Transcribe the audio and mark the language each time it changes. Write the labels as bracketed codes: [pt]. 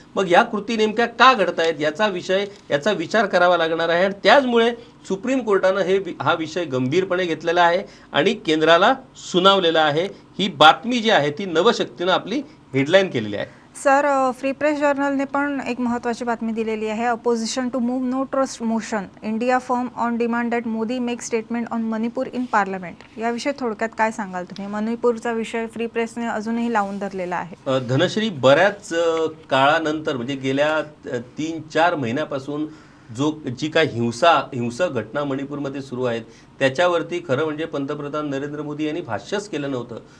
[mr] मग या कृती नेमक्या का घडत आहेत याचा विषय याचा विचार करावा लागणार आहे. आणि त्याचमुळे सुप्रीम कोर्टानं हे हा विषय गंभीरपणे घेतलेला आहे आणि केंद्राला सुनावलेला आहे. ही बातमी जी आहे ती नवशक्तीनं आपली हेडलाईन केलेली आहे. सर, फ्री प्रेस जर्नलने पण एक महत्त्वाची बातमी दिलेली आहे. [en] Opposition to move no trust motion, India firm on demand that Modi make statement on Manipur in parliament. [mr] याविषयी थोडक्यात काय सांगाल तुम्ही? मणिपूरचा विषय फ्री प्रेसने अजूनही लावून धरलेला आहे. धनश्री, बऱ्याच काळानंतर म्हणजे गेल्या 3-4 महिन्यापासून जो जी काही हिंसक घटना मणिपूरमध्ये सुरू आहेत त्याच्यावरती खरं म्हणजे पंतप्रधान नरेंद्र मोदी यांनी भाष्यच केलं नव्हतं.